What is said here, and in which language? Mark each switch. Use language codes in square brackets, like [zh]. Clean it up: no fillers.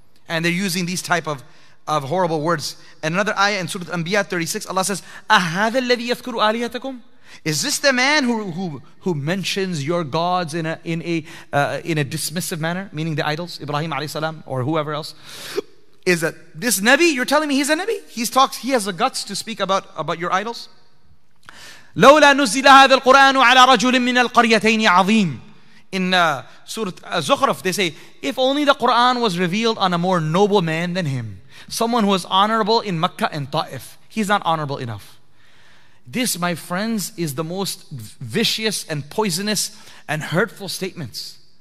[en] And they're using these type of horrible words. And another ayah in Surah Al-Anbiya 36, Allah says, [ar] "Ahadha alladhi yadhkuru alihatakum?" [en] Is this the man who mentions your gods in a dismissive manner, meaning the idols, Ibrahim alayhi salam or whoever else? Is that this Nabi? You're telling me he's a Nabi? He has the guts to speak about your idols? [ar] لولا نزل هذا القرآن على رجل من القريتين عظيم. [en] In Surah Zukhruf, they say, if only the Quran was revealed on a more noble man than him, someone who was honorable in Makkah and Ta'if. He's not honorable enough. This, my friends, is the most vicious and poisonous and hurtful statements.